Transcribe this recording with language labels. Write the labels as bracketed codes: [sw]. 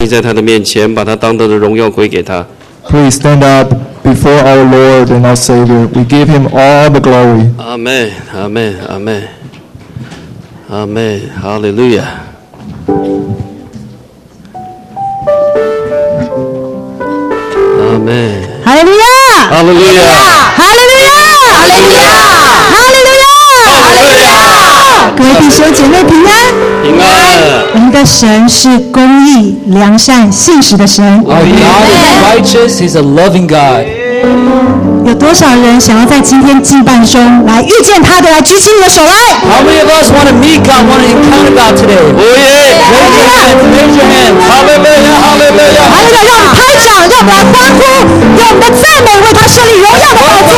[zh] 你在他的面前把他当作的荣耀归给他。 [en] Please stand up before our Lord and our Savior. We give him all the glory. Amen. Amen. Amen. Amen. Hallelujah. Amen. Hallelujah. Hallelujah. Hallelujah. Hallelujah. Hallelujah. Hallelujah. [zh] 各位弟兄姐妹平安，平安。我们的神是公义、良善、信实的神。 [en] Our God is righteous. He's a loving God. [zh] 有多少人想要在今天敬拜中来遇见他的？来举起你的手来。 [en] How many of us want to meet God, want to encounter God today? Oh yeah! Raise your hand, raise your hand. Hallelujah! Hallelujah! [zh] 还有的让我们拍掌，让我们来欢呼，用我们的赞美为他设立荣耀的宝座。